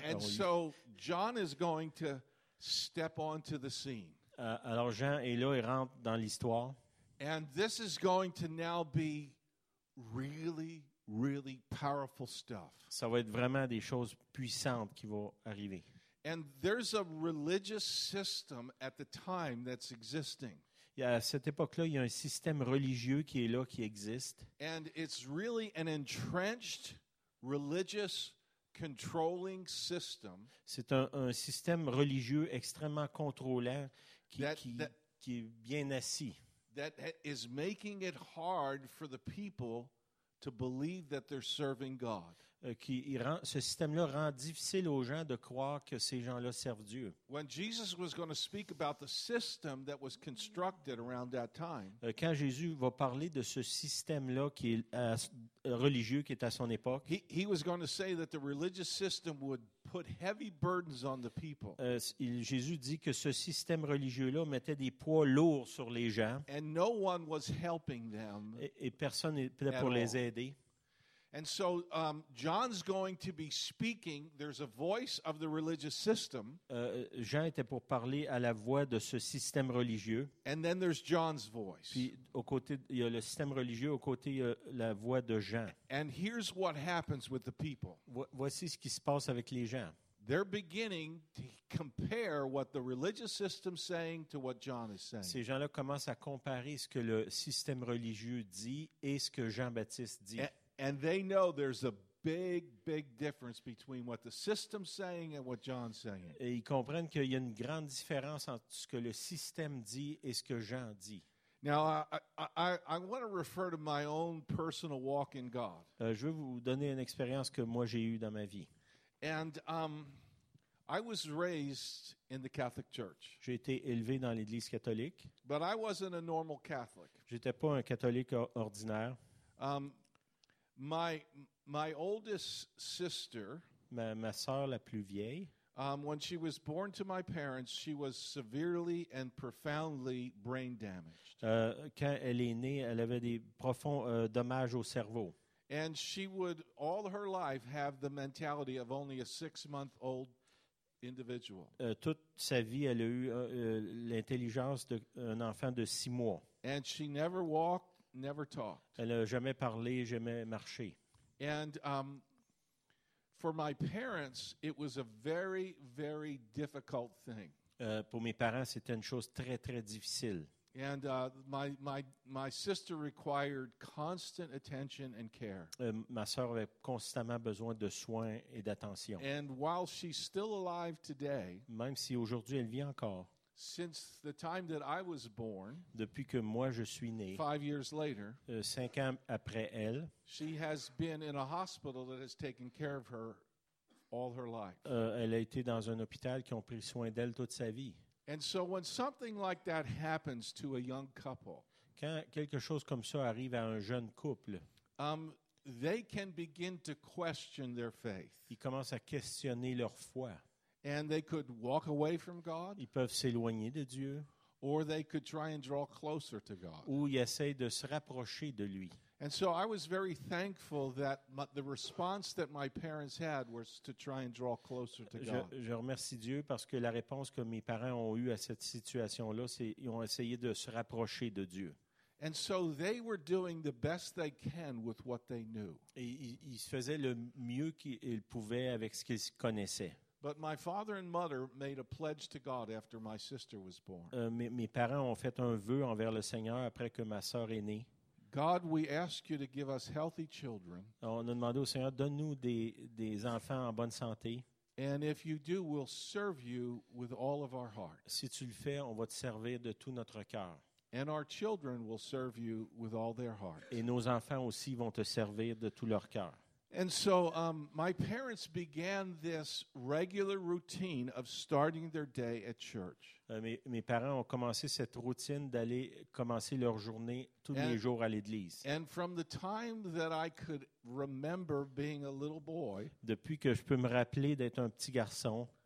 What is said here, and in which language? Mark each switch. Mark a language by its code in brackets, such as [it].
[en] And so John is going to step onto the scene. [fr] Alors Jean est là, il rentre dans l'histoire. [en] And this is going to now be really, really powerful stuff. [fr] Ça va être vraiment des choses puissantes qui vont arriver. [en] And there's a religious system at the time that's existing. [fr] À cette époque-là, il y a un système religieux qui est là, qui existe. [en] And it's really an entrenched religious controlling system. [fr] C'est un système religieux extrêmement contrôlant qui est bien assis. [en] That is making it hard for the people to believe that they're serving God. [fr] Ce système-là rend difficile aux gens de croire que ces gens-là servent Dieu. [en] When Jesus was going to speak about the system that was constructed around that time. [fr] Quand Jésus va parler de ce système-là qui est religieux qui est à son époque. [en] He was going to say that the religious system would put heavy burdens on the people. [fr] Jésus dit que ce système religieux-là mettait des poids lourds sur les gens. [en] And no one was helping them. [fr] Et personne n'était pour les aider. [en] And so John's going to be speaking. There's a voice of the religious system. [fr] Jean était pour parler à la voix de ce système religieux. [en] And then there's John's voice. [fr] Puis il y a le système religieux, au côté il y a la voix de Jean. [en] And here's what happens with the people. [fr] Voici ce qui se passe avec les gens. [en] They're beginning to compare what the religious system's saying to what John is saying. [fr] Ces gens-là commencent à comparer ce que le système religieux dit et ce que Jean-Baptiste dit. [en] And they know there's a big, big difference between what the system's saying and what John's saying. [fr] Et ils comprennent qu'il y a une grande différence entre ce que le système dit et ce que Jean dit. [en] Now, I want to refer to my own personal walk in God. [fr] Je veux vous donner une expérience que moi j'ai eue dans ma vie. [en] And I was raised in the Catholic Church. [fr] J'ai été élevé dans l'Église catholique. [en] But I wasn't a normal Catholic. [fr] J'étais pas un catholique ordinaire. [en] My oldest sister, [fr] ma sœur la plus vieille, [en] when she was born to my parents, she was severely and profoundly brain damaged. [fr] Quand elle est née, elle avait des profonds dommages au cerveau. [en] And she would all her life have the mentality of only a 6-month-old individual. [fr] Toute sa vie, elle a eu l'intelligence d'un enfant de 6 mois. [en] And she never walked. Never talked. [fr] Elle a jamais parlé, jamais marché. [en] And For my parents, it was a very, very difficult thing. [fr] Pour mes parents, c'était une chose très, très difficile. [en] And my sister required constant attention and care. [fr] Ma sœur avait constamment besoin de soins et d'attention. [en] And while she's still alive today, [fr] même si aujourd'hui elle vit encore, [en] since the time that I was born, [fr] depuis que moi je suis né, [en] 5 years later, [fr] 5 ans après elle, [en] she has been in a hospital that has taken care of her all her life. [fr] Elle a été dans un hôpital qui ont pris soin d'elle toute sa vie. [en] And so when something like that happens to a young couple, [fr] quand quelque chose comme ça arrive à un jeune couple, [en] they can begin to question their faith. [fr] Ils commencent à questionner leur foi. [en] And they could walk away from God. [fr] Ils peuvent s'éloigner de Dieu. [en] Or they could try and draw closer to God. [fr] Ou ils essaient de se rapprocher de lui. [en] And so I was very thankful that the response that my parents had was to try and draw closer to God. [fr] Je remercie Dieu parce que la réponse que mes parents ont eue à cette situation-là, c'est ils ont essayé de se rapprocher de Dieu. [en] And so they were doing the best they can with what they knew. [fr] Et ils faisaient le mieux qu'ils pouvaient avec ce qu'ils connaissaient. [en] But my father and mother made a pledge to God after my sister was born. [fr] Mes parents ont fait un vœu envers le Seigneur après que ma sœur est née. [en] God, we ask you to give us healthy children. [fr] On a demandé au Seigneur, donne-nous des enfants en bonne santé. [en] And if you do, we'll serve you with all of our heart. [fr] Si tu le fais, on va te servir de tout notre cœur. [en] And our children will serve you with all their heart. [fr] Et nos enfants aussi vont te servir de tout leur cœur. [en] And so my parents began this regular routine of starting their day at church. [fr] Mes parents ont commencé cette routine d'aller commencer leur journée tous les jours à l'église. [en] And from the time that I could remember being a little boy, [fr] depuis que je peux me rappeler d'être un petit garçon,